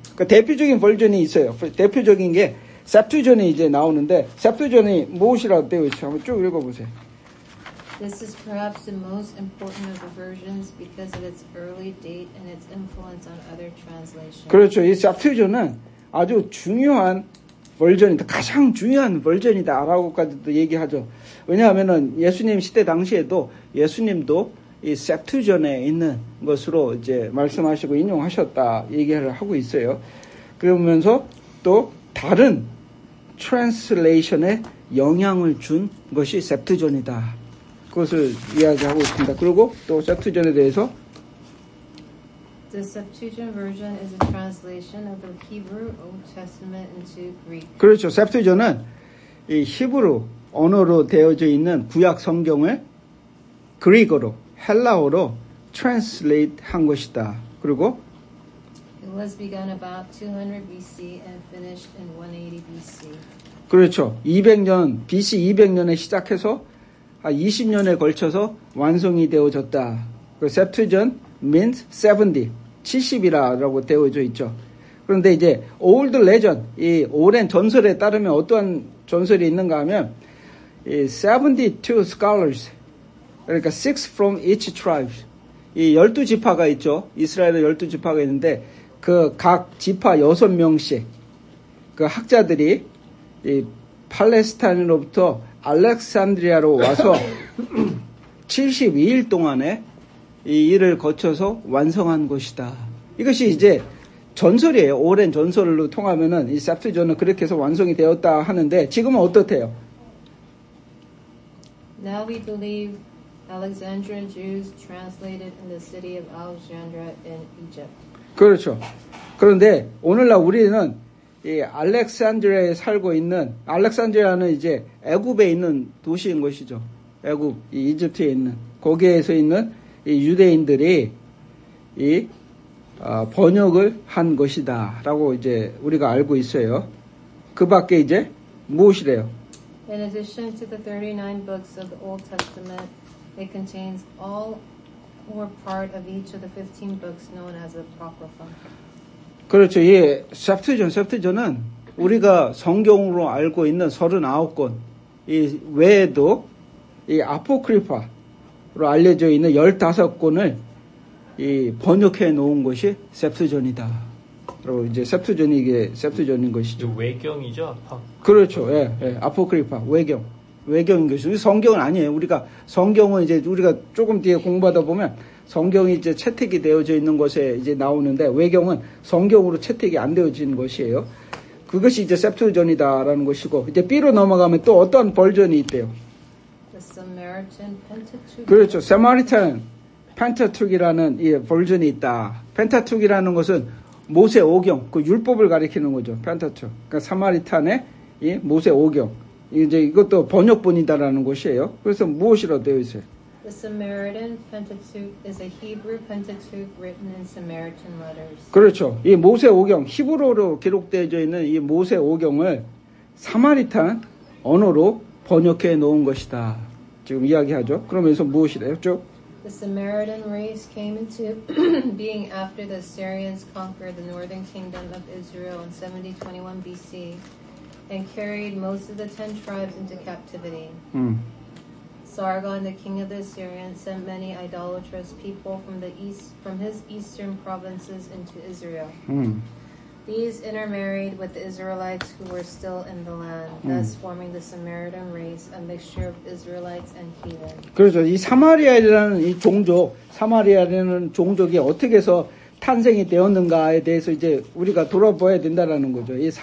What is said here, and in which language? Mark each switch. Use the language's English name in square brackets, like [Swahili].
[Korean] 그러니까 대표적인 버전이 있어요. 대표적인 게 Septuagint이 이제 나오는데 Septuagint이 무엇이라고 되어 있죠? 한번 쭉 읽어보세요. [English] This is perhaps the most important of the versions because of its early date and its influence on other translations. [Korean] 그렇죠. 이 Septuagint은 아주 중요한 버전이다. 가장 중요한 버전이다라고까지도 얘기하죠. 왜냐하면은 예수님 시대 당시에도 예수님도 이 Septuagint에 있는 것으로 이제 말씀하시고 인용하셨다 얘기를 하고 있어요. 그러면서 또 다른 트랜슬레이션에 영향을 준 것이 Septuagint이다. 그것을 이야기하고 있습니다. 그리고 또 Septuagint에 대해서 [English] The Septuagint version is a translation of the Hebrew Old Testament into Greek. [Korean] 그렇죠. Septuagint은 이 히브리 언어로 되어져 있는 구약 성경을 그리고로 헬라어로 translate 한 것이다. 그리고 [English] It was begun about 200 BC and finished in 180 BC. [Korean] 그렇죠. 200년, BC 200년에 시작해서 20년에 걸쳐서 완성이 되어졌다. 그 Septuagint means 70, 70이라고 되어져 있죠. 그런데 이제 [English] Old Legend, [Korean] 이 오랜 전설에 따르면 어떠한 전설이 있는가 하면 이 [English] 72 scholars, [Korean] 그러니까 [English] 6 from each tribe, [Korean] 이 12지파가 있죠. 이스라엘의 12지파가 있는데 그 각 지파 6명씩 그 학자들이 이 팔레스타인으로부터 알렉산드리아로 와서 72일 동안에 이 일을 거쳐서 완성한 것이다. 이것이 이제 전설이에요. 오랜 전설로 통하면은 이 Septuagint은 그렇게 해서 완성이 되었다 하는데 지금은 어떻대요? [English] Now we believe Alexandrian Jews translated in the city of Alexandria in Egypt. [Korean] 그렇죠. 그런데 오늘날 우리는 이 알렉산드리아에 살고 있는 알렉산드리아는 이제 애굽에 있는 도시인 것이죠. 애굽, 이 이집트에 있는 거기에서 있는 이 유대인들이 이 번역을 한 것이다라고 이제 우리가 알고 있어요. 그 밖에 이제 무엇이래요? [English] In addition to the 39 books of the Old Testament, it contains all or part of each of the 15 books known as the Apocrypha. [Korean] 그렇죠. 이 Septuagint은 우리가 성경으로 알고 있는 39권 이 외에도 이 아포크리파로 알려져 있는 15권을 이 번역해 놓은 것이 Septuagint이다. 그리고 이제 Septuagint이 이게 Septuagint인 것이죠. 외경이죠. 그렇죠. 예, 예. 아포크리파 외경. 외경인 것이죠. 성경은 아니에요. 우리가 성경은 이제 우리가 조금 뒤에 공부하다 보면 성경이 이제 채택이 되어져 있는 것에 이제 나오는데 외경은 성경으로 채택이 안 되어진 것이에요. 그것이 이제 Septuagint이다라는 것이고 이제 B로 넘어가면 또 어떤 버전이 있대요. [English] The Samaritan Pentateuch. [Korean] 그렇죠. Samaritan Pentateuch이라는 이 버전이 있다. Pentateuch이라는 것은 모세 오경, 그 율법을 가리키는 거죠. [English] Pentateuch. [Korean] 그러니까 사마리탄의 이 모세 오경. 이제 이것도 번역본이다라는 것이에요. 그래서 무엇이라고 되어 있어요? [English] The Samaritan Pentateuch is a Hebrew Pentateuch written in Samaritan letters. [Korean] 그렇죠. 이 모세 오경, 히브리어로 기록되어 있는 이 모세 오경을 사마리탄 언어로 번역해 놓은 것이다. 지금 이야기하죠. 그러면서 무엇이래요? 쭉. [English] The Samaritan race came into being after the Assyrians conquered the northern kingdom of Israel in 7021 BC and carried most of the 10 tribes into captivity. Sargon, the king of the Assyrians, sent many idolatrous people from the east, from his eastern provinces into Israel. These intermarried with the Israelites who were still in the land, thus forming the Samaritan race, a mixture of Israelites and heathen. [Korean] 그래서 이 사마리아라는 이 종족, 사마리아라는 종족이 어떻게 해서 탄생이 되었는가에 대해서 이제 우리가 돌아봐야 된다라는 거죠.